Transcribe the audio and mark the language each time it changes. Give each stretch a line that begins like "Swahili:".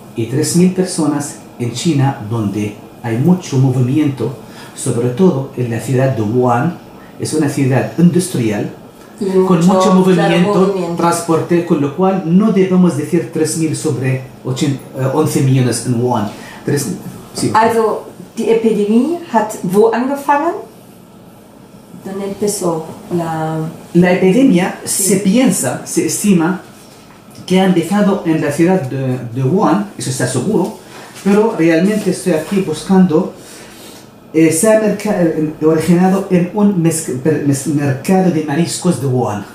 Spanish: Y 3.000 personas en China, donde hay mucho movimiento, sobre todo en la ciudad de Wuhan, es una ciudad industrial, Con mucho movimiento, transporte, con lo cual no debemos decir 3.000 sobre 11 millones en Wuhan. Sí, okay.
German: Also, die Epidemie hat wo angefangen?
Spanish: ¿Dónde empezó? La epidemia, sí. se estima que ha empezado en la ciudad de Wuhan, eso está seguro, pero realmente estoy aquí buscando. Se ha originado en un mercado de mariscos de Wuhan.